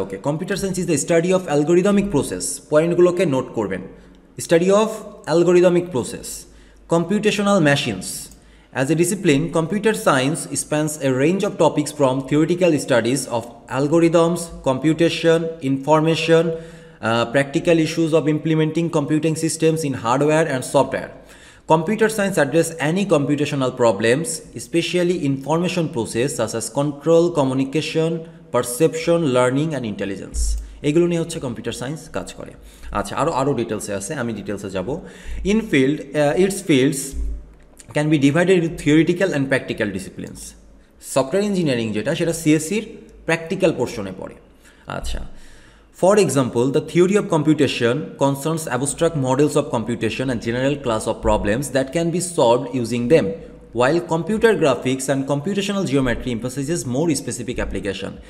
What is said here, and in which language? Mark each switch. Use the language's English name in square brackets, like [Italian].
[English] okay, computer science is the study of algorithmic process, [Bangla] পয়েন্টগুলোকে note করবেন, [English] Study of algorithmic process, computational machines. As a discipline, computer science spans a range of topics from theoretical studies of algorithms, computation, information, practical issues of implementing computing systems in hardware and software. Computer science addresses any computational problems, especially information process such as control, communication, perception, learning and intelligence. [Bangla] এগুলো নিয়ে হচ্ছে computer science কাজ করে। আচ্ছা, আরও আরও ডিটেলসে আছে, আমি ডিটেলসে যাব। [English] In field, it's fields can be divided in theoretical and practical disciplines. [Bangla] Software engineering যেটা, সেটা সিএসসির প্র্যাকটিক্যাল পোর্শনে পড়ে। [English] আচ্ছা, For example, the theory of computation concerns abstract models of computation and general class of problems that can be solved using them, while computer graphics and computational geometry emphasizes more specific application.